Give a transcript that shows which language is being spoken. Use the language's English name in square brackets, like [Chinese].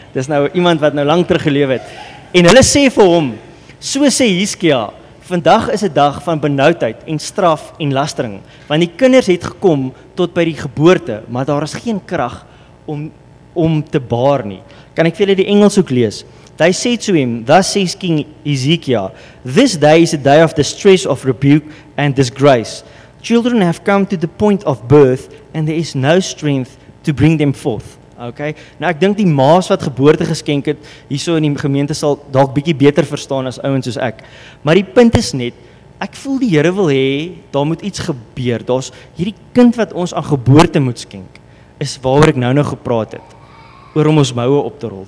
[Afrikaans] Dis nou iemand wat nou lang terug geleef het. En hulle sê vir hom, so sê Hizkia, vandag is 'n dag van benoudheid en straf en lastering, want die kinders het gekom tot by die geboorte, maar daar is geen krag om te baar nie. Kan ek vir julle die Engels ook lees? [English] They said to him, thus says King Ezekiel, this day is a day of distress, of rebuke and disgrace. Children have come to the point of birth and there is no strength to bring them forth. Okay. [Afrikaans] Nou ek dink die maas wat geboorte geskenk het hierso in die gemeente sal dalk bietjie beter verstaan as ouens soos ek. Maar die punt is net ek voel die Here wil hê daar moet iets gebeur. Daar's hierdie kind wat ons aan geboorte moet skenk is waaroor ek nou gepraat het oor om ons moue op te rol.